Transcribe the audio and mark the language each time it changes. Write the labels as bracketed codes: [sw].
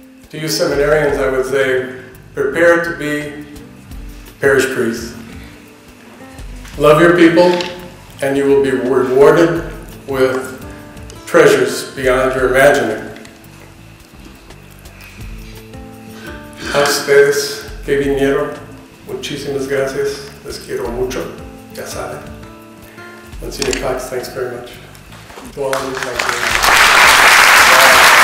[en] To you seminarians, I would say, prepare to be parish priests. Love your people and you will be rewarded with treasures beyond your imagining. [es] A ustedes que vinieron, muchísimas gracias, les quiero mucho, ya saben. [en] Monsignor Cox, thanks very much. To all of you, thank you.